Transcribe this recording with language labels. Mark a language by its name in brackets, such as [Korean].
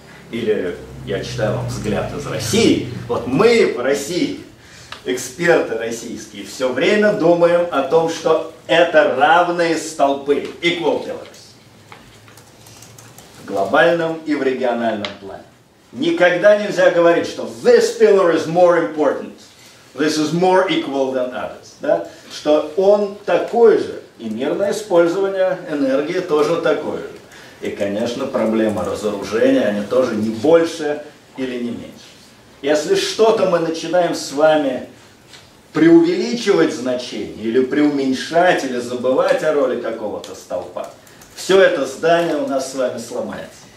[Russian] Или я читаю вам взгляд из России. Вот мы в России, эксперты российские, все время думаем о том, что это равные столпы, [English] equal pillars, [Russian] в глобальном и в региональном плане. Никогда нельзя говорить, что [English] this pillar is more important, this is more equal than others, [Russian] да? Что он такой же, и мирное использование энергии тоже такое же. И, конечно, проблема разоружения, они тоже не больше или не меньше. Если что-то мы начинаем с вами преувеличивать значение, или преуменьшать, или забывать о роли какого-то столпа, все это здание у нас с вами сломается.